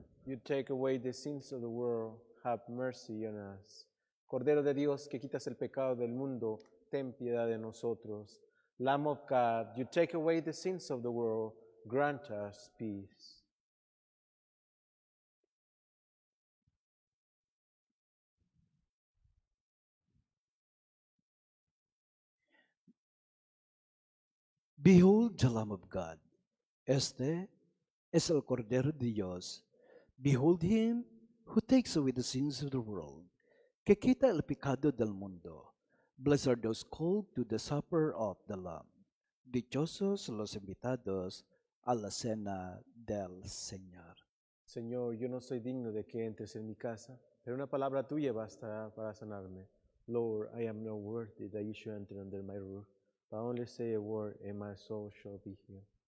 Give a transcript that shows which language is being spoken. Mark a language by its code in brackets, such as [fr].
[en] you take away the sins of the world, have mercy on us. [es] Cordero de Dios, que quitas el pecado del mundo, ten piedad de nosotros. [en] Lamb of God, you take away the sins of the world, grant us peace. Behold the Lamb of God. [es] Este es el Cordero de Dios. [en] Behold him who takes away the sins of the world. [es] Que quita el pecado del mundo. [en] Blessed are those called to the supper of the Lamb. [es] Dichosos los invitados a la cena del Señor. Señor, yo no soy digno de que entres en mi casa, pero una palabra tuya bastará para sanarme. [en] Lord, I am not worthy that you should enter under my roof, but only say a word and my soul shall be healed.